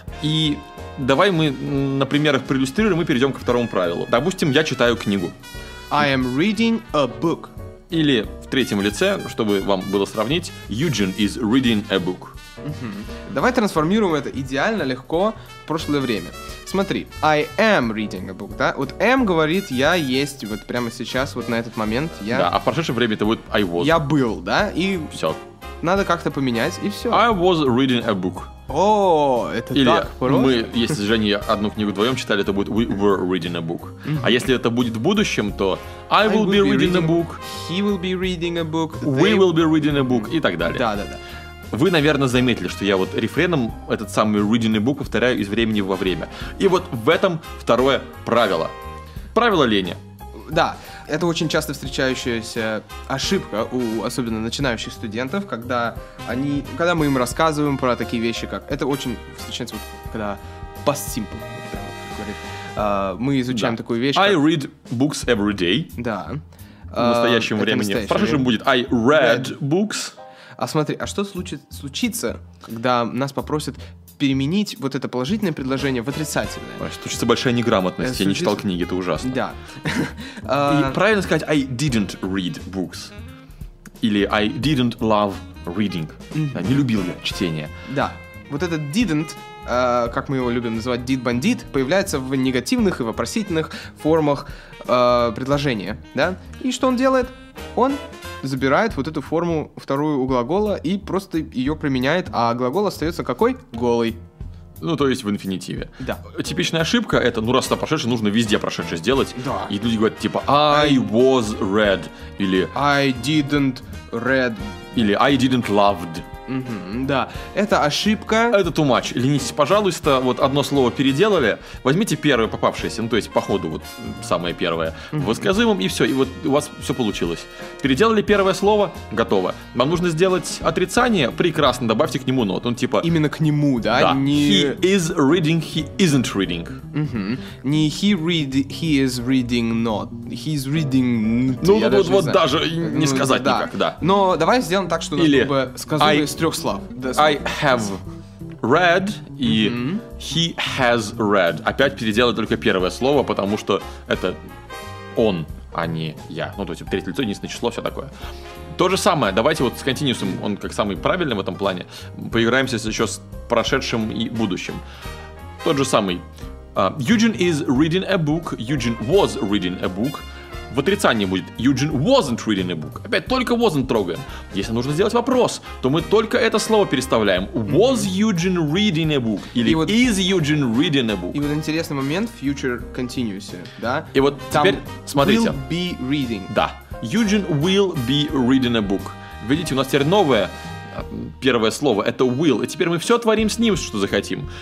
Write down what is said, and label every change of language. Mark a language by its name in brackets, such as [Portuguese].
[Russian] И давай мы на примерах проиллюстрируем и перейдем ко второму правилу. Допустим, я читаю книгу. [English] I am reading a book. [Russian] Или в третьем лице, чтобы вам было сравнить, [English] Eugene is reading a book. [Russian] Давай трансформируем это идеально легко в прошлое время. Смотри, [English] I am reading a book, да? [Russian] Вот am говорит, я есть вот прямо сейчас, вот на этот момент. Я... Да, а в прошедшее время это будет [English] I was. [Russian] Я был, да? И все. Надо как-то поменять, и все. [English] I was reading a book. [Russian] О, это или так просто. Мы, если с Женей одну книгу вдвоем читали, то будет [English] we were reading a book. [Russian] А если это будет в будущем, то [English] I will be reading a book. He will be reading a book. We will be reading a book. [Russian] И так далее. Да, да, да. Вы, наверное, заметили, что я вот рефреном этот самый [English] reading a book [Russian] повторяю из времени во время. И вот в этом второе правило. Правило лени. Да. Это очень часто встречающаяся ошибка у особенно начинающих студентов, когда они, когда мы им рассказываем про такие вещи, как... Это очень встречается, вот, когда past simple, вот, прямо, как говорит. Мы изучаем, да, такую вещь, как... [English] I read books every day. [Russian] Да. В настоящем времени. В прошедшем будет [English] I read books. [Russian] А смотри, а что случится, когда нас попросят переменить вот это положительное предложение в отрицательное? Случится большая неграмотность. Я не читал книги, это ужасно. Да. И правильно сказать [English] I didn't read books. [Russian] Или [English] I didn't love reading. [Russian] Да, не любил я чтение. Да. Вот этот didn't, как мы его любим называть, did bandit, появляется в негативных и вопросительных формах предложения. Да? И что он делает? Он забирает вот эту форму вторую у глагола и просто ее применяет, а глагол остается какой? Голый. Ну, то есть в инфинитиве. Да. Типичная ошибка это, ну, раз это прошедшее, нужно везде прошедшее сделать. Да. И люди говорят, типа, [English] I was read. [Russian] Или [English] I didn't read. [Russian] Или [English] I didn't loved. [Russian] Да, это ошибка. Это [English] too much. [Russian] Ленитесь, пожалуйста, вот одно слово переделали. Возьмите первое попавшееся, ну то есть по ходу вот самое первое. Высказуемым и все, и вот у вас все получилось. Переделали первое слово, готово. Вам нужно сделать отрицание, прекрасно, добавьте к нему нот. Он типа... Именно к нему, да? Да. Не... [English] He is reading, [Russian] he isn't reading. Не [English] he read, he is reading not. He is reading... [Russian] Ну вот, даже, вот не даже не сказать, да, никак, да. Но давай сделаем так, чтобы... Или... сказать. Из трех слов. [English] I have read и he has read. [Russian] Опять переделай только первое слово, потому что это он, а не я. Ну, то есть третье лицо, единственное число, все такое. То же самое, давайте вот с continuous, он как самый правильный в этом плане, поиграемся еще с прошедшим и будущим. Тот же самый. [English] Eugene is reading a book, Eugene was reading a book. [Russian] В отрицании будет [English] Eugene wasn't reading a book. [Russian] Опять только wasn't трогаем. Если нужно сделать вопрос, то мы только это слово переставляем. [English] Was Eugene reading a book? [Russian] Или вот, [English] is Eugene reading a book? [Russian] И вот интересный момент в future continuous, да? И вот там теперь смотрите. [English] Will be reading. Да. Eugene will be reading a book. [Russian] Видите, у нас теперь новое первое слово, это will. И теперь мы все творим с ним, что захотим.